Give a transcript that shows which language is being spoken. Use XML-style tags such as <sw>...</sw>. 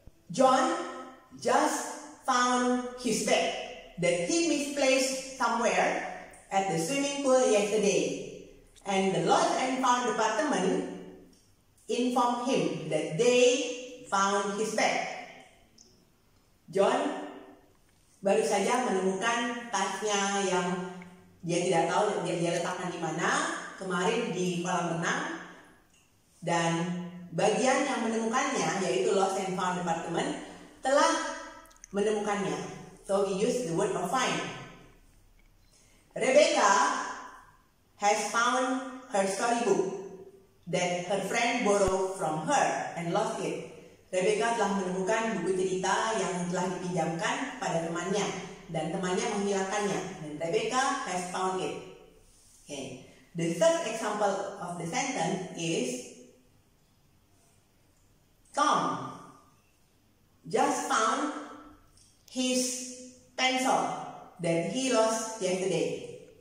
<en>John just found his bag that he misplaced somewhere at the swimming pool yesterday. And the lost and found department informed him that they found his bag.</en> <id>John baru saja menemukan tasnya yang dia tidak tahu dia letakkan di mana kemarin di kolam renang, dan bagian yang menemukannya yaitu lost and found department telah menemukannya.</id> <en>So we use the word of find. Rebecca has found her storybook that her friend borrowed from her and lost it.</en> <id>Rebecca telah menemukan buku cerita yang telah dipinjamkan pada temannya dan temannya menghilangkannya.</id> <en>Dan Rebecca has found it. Okay. The third example of the sentence is Tom just found his pencil that he lost yesterday.</en>